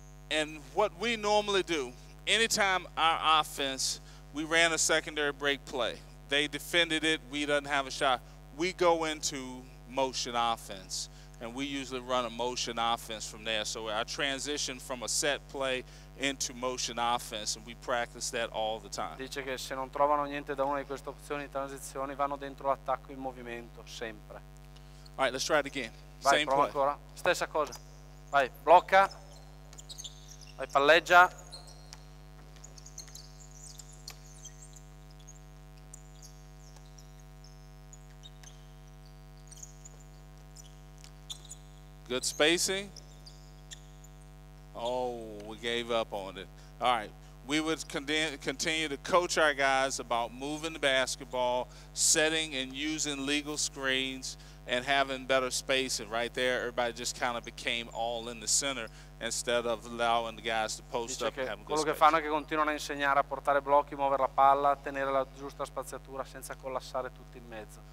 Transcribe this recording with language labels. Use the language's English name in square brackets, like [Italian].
[English] And what we normally do, anytime our offense, we ran a secondary break play. They defended it. We didn't have a shot. We go into motion offense, and we usually run a motion offense from there. So I transition from a set play into motion offense, and we practice that all the time. [Italian] Dice che se non trovano niente da una di queste opzioni transizioni vanno dentro l'attacco in movimento sempre. [English] All right, let's try it again. [Italian] Vai, [English] same play. [Italian] Ancora. Stessa cosa. Vai, blocca. Vai, palleggia. [English] Good spacing. Oh, we gave up on it. All right. We would continue to coach our guys about moving the basketball, setting and using legal screens, and having better spacing. Right there, everybody just kind of became all in the center instead of allowing the guys to post [Italian] dice [English] up and have good [Italian] quello space. Che fanno è che continuano a insegnare a portare blocchi, muovere la palla, tenere la giusta spaziatura senza collassare tutti in mezzo.